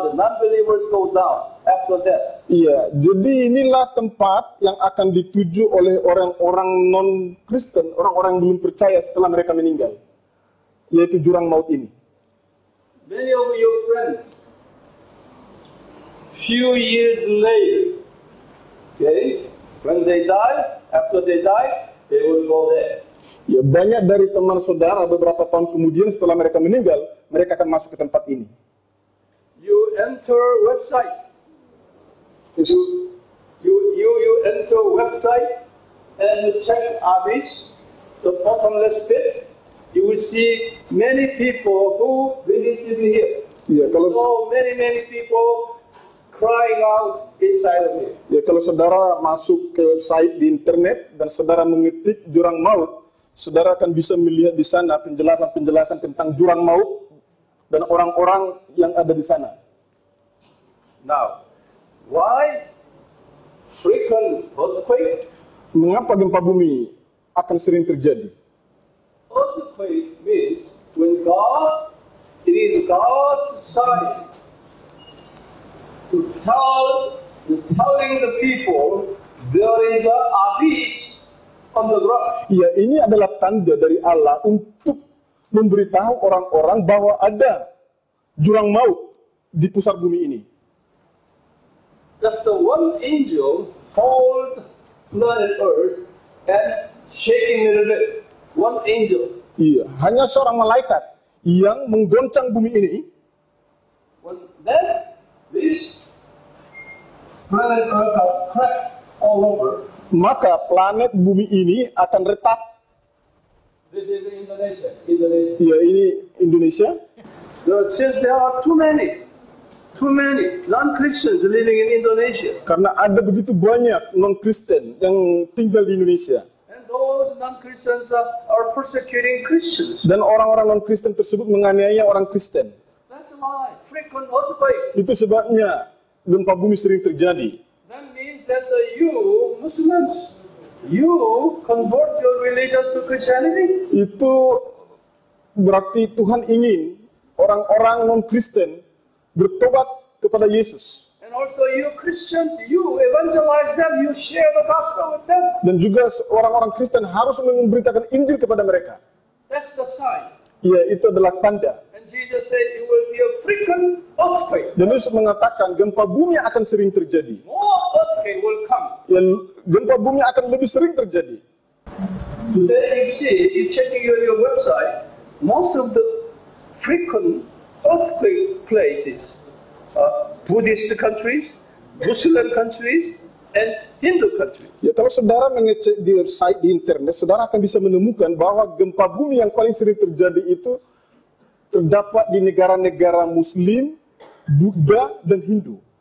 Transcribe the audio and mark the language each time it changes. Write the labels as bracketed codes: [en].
[en] The non-believers go down after that. [id] Iya, jadi inilah tempat yang akan dituju oleh orang-orang non-Kristen, orang-orang yang belum percaya setelah mereka meninggal, yaitu jurang maut ini. [en] Many of your friends, few years later, okay, when they die, after they die, they will go there. [id] Ya, banyak dari teman saudara beberapa tahun kemudian setelah mereka meninggal, mereka akan masuk ke tempat ini. [en] You enter website. You enter website and check abyss, the bottomless pit. You will see many people who visited here. Yeah, kalau many people crying out inside of here. [id] Yeah, kalau saudara masuk ke site di internet dan saudara mengetik jurang maut, saudara akan bisa melihat di sana penjelasan tentang jurang maut dan orang-orang yang ada di sana. [en] Now, why frequent earthquake? [id] Mengapa gempa bumi akan sering terjadi? [en] Earthquake means when God, it is God's sign to telling the people there is an abyss on the ground. [id] Ya, ini adalah tanda dari Allah untuk memberitahu orang-orang bahwa ada jurang maut di pusar bumi ini. [en] Just one angel hold planet Earth and shaking it a bit. One angel. [id] Iya, hanya seorang malaikat yang menggoncang bumi ini. [en] When then this planet Earth will crack all over. [id] Maka planet bumi ini akan retak. [en] This is Indonesia. [id] Iya, ini Indonesia. [en] Since there are too many non-Christians living in Indonesia. [id] Karena ada begitu banyak non-Kristen yang tinggal di Indonesia. [en] And those non-Christians are persecuting Christians. [id] Dan orang-orang non-Kristen tersebut menganiaya orang Kristen. [en] That's why frequent earthquake. [id] Itu sebabnya gempa bumi sering terjadi. [en] That means that you Muslims, you convert your religion to Christianity. [id] Itu berarti Tuhan ingin orang-orang non-Kristen bertobat kepada Yesus. [en] And also you Christians, you evangelize them, you share the gospel with them. [id] Dan juga orang-orang Kristen harus memberitakan Injil kepada mereka. [en] That's the sign. [id] Iya, itu adalah tanda. [en] And Jesus said it will be a frequent earthquake. [id] Dan Yesus mengatakan gempa bumi akan sering terjadi. [en] More earthquake will come. [id] Ya, gempa bumi akan lebih sering terjadi. [en] Today you see, you checking your website, most of the frequent earthquake places, Buddhist countries, Muslim countries, and Hindu countries. [id] Ya, kalau saudara mengecek di website di internet, saudara akan bisa menemukan bahwa gempa bumi yang paling sering terjadi itu terdapat di negara-negara Muslim, Buddha, dan Hindu.